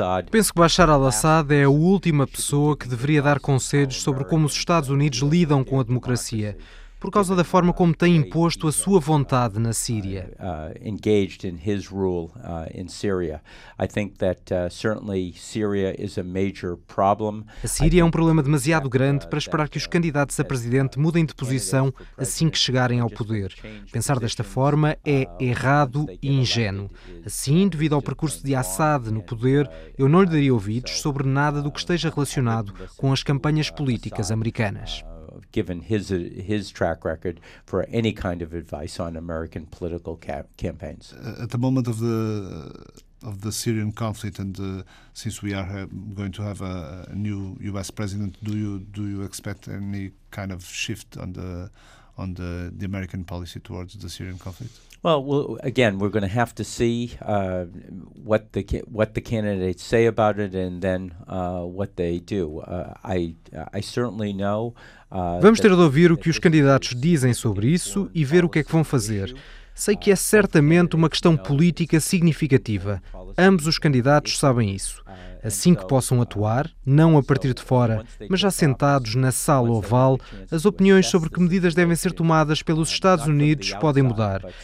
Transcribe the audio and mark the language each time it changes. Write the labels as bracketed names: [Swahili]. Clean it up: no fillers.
[Portuguese] Penso que Bashar al-Assad é a última pessoa que deveria dar conselhos sobre como os Estados Unidos lidam com a democracia, por causa da forma como tem imposto a sua vontade na Síria. [English] Engaged in his rule in Syria. I think that certainly Syria is a major problem. [Portuguese] A Síria é um problema demasiado grande para esperar que os candidatos a presidente mudem de posição assim que chegarem ao poder. Pensar desta forma é errado e ingênuo. Assim, devido ao percurso de Assad no poder, eu não lhe daria ouvidos sobre nada do que esteja relacionado com as campanhas políticas americanas. [English] Given his track record for any kind of advice on American political campaigns. At the moment of the Syrian conflict, and since we are going to have a new U.S. president, do you expect any kind of shift on the American policy towards the Syrian conflict? Again, we're going to have to see what the candidates say about it, and then what they do. I certainly know. [Portuguese] Vamos ter de ouvir o que os candidatos dizem sobre isso e ver o que é que vão fazer. Sei que é certamente uma questão política significativa. Ambos os candidatos sabem isso. Assim que possam atuar, não a partir de fora, mas já sentados na sala oval, as opiniões sobre que medidas devem ser tomadas pelos Estados Unidos podem mudar.